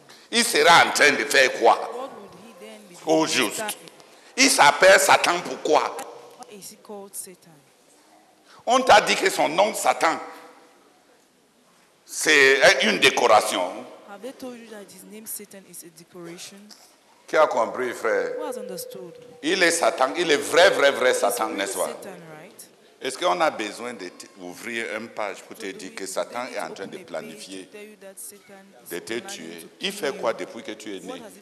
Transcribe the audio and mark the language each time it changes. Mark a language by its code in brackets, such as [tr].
[fr] Il sera en train de faire quoi? Au juste. Il s'appelle Satan pourquoi? [en] Is he called Satan? [fr] On t'a dit que son nom Satan, c'est une décoration. [en] Have they told you that his name Satan is a decoration? [fr] Qui a compris, frère? [en] Who has understood? [fr] Il est Satan, il est vrai Satan, n'est-ce pas? [en] Satan, right? [fr] Est-ce qu'on a besoin d'ouvrir une page pour te dire que Satan est en train de planifier de te tuer? Il fait quoi depuis que tu es né?